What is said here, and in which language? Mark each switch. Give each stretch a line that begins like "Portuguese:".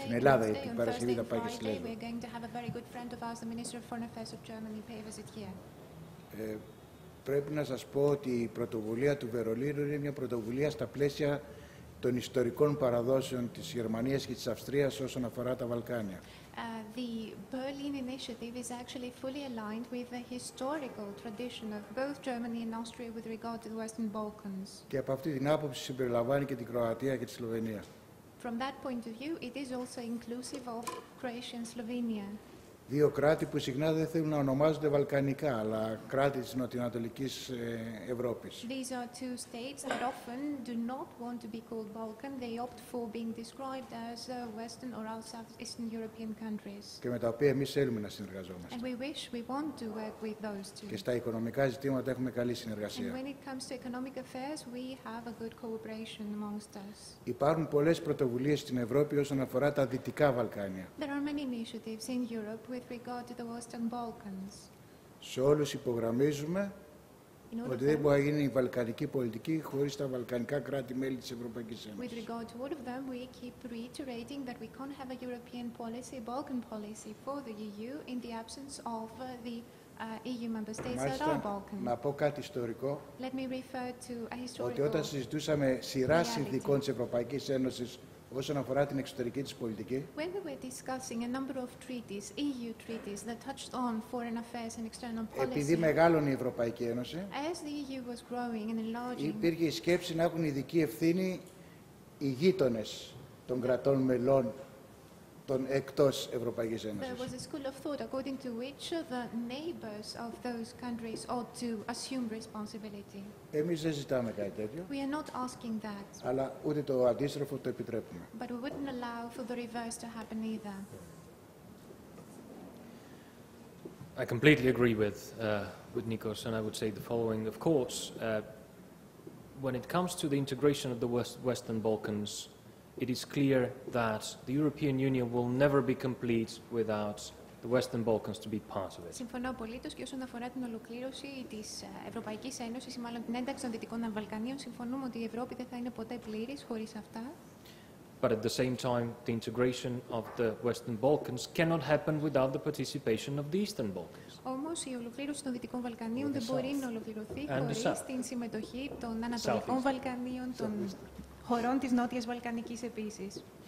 Greek: στην Ελλάδα, την Παρασκευή θα πάει και στη Λέσβο.
English: We are going to have a very good friend of ours, the Minister of Foreign Affairs of Germany, pay a visit here.
Greek: Πρέπει να σας πω ότι η πρωτοβουλία του Βερολίνου είναι μια πρωτοβουλία στα πλαίσια των ιστορικών παραδόσεων της Γερμανίας και της Αυστρίας όσον αφορά τα Βαλκάνια.
English: The Berlin Initiative is actually fully aligned with the historical tradition of both Germany and Austria with regard to the Western Balkans.
Greek: Και από αυτή την άποψη συμπεριλαμβάνει και την Κροατία και τη Σλοβενία.
English: From that point of view, it is also inclusive of Croatia and Slovenia.
Greek: Δύο κράτη που συχνά δεν θέλουν να ονομάζονται βαλκανικά, αλλά κράτη της νοτιοανατολικής Ευρώπης.
English: These are two states that often do not want to be called Balkan. They opt for being described as Western or Southeastern European countries.
Greek: Και με τα οποία εμείς θέλουμε να συνεργαζόμαστε.
English: And we wish we want to work with those two.
Greek: Και στα οικονομικά ζητήματα έχουμε καλή συνεργασία.
English: And when it comes to economic affairs, we have a good cooperation amongst us.
Greek: Υπάρχουν πολλές πρωτοβουλίες στην Ευρώπη όσον αφορά τα Δυτικά Βαλκάνια.
English: There are many initiatives in Europe with regard to the Western Balkans.
Greek: Σε όλους υπογραμμίζουμε ότι δεν μπορεί να γίνει η βαλκανική πολιτική χωρίς τα βαλκανικά κράτη-μέλη της Ευρωπαϊκής Ένωσης.
English: With regard to all of them, we keep reiterating that we can't have a European policy, a Balkan policy for the EU in the absence of the EU member states that are Balkan.
Greek: Να πω κάτι ιστορικό.
English: Let me refer to a historical.
Greek: Ότι όταν συζητούσαμε σειρά συνδικών της Ευρωπαϊκής Ένωσης όσον αφορά την εξωτερική της πολιτική.
English: When we were discussing a number of treaties, EU treaties that touched on foreign affairs and external policy.
Greek: Επειδή μεγάλωνε η Ευρωπαϊκή Ένωση.
English: As the EU was growing and enlarging.
Greek: Υπήρχε η σκέψη να έχουν ειδική ευθύνη οι γείτονες των κρατών μελών των εκτός Ευρωπαϊκής Ένωσης.
English: There was a school of thought according to which the neighbors of those countries ought to assume responsibility.
Greek: Εμείς δεν ζητάμε κάτι τέτοιο.
English: We are not asking that.
Greek: Αλλά ούτε το αντίστροφο το επιτρέπουμε.
English: But we wouldn't allow for the reverse to happen either. I completely agree with Nikos, and I would say the following. Of course, when it comes to the integration of the Western Balkans, it is clear that the European Union will never be complete without the Western Balkans to be part of it.
Greek: Συμφωνώ απολύτως και όσον αφορά την ολοκλήρωση της Ευρωπαϊκής Ένωσης, ή μάλλον την ένταξη των Δυτικών Βαλκανίων, συμφωνούμε ότι η Ευρώπη δεν θα είναι ποτέ πλήρης χωρίς αυτά.
English: But at the same time, the integration of the Western Balkans cannot happen without the participation of the Eastern Balkans.
Greek: Όμως, η ολοκλήρωση των Δυτικών Βαλκανίων δεν μπορεί να ολοκληρωθεί χωρίς την συμμετοχή των Ανατολικών Βαλκανίων, των χωρών της Νότιας Βαλκανικής επίσης.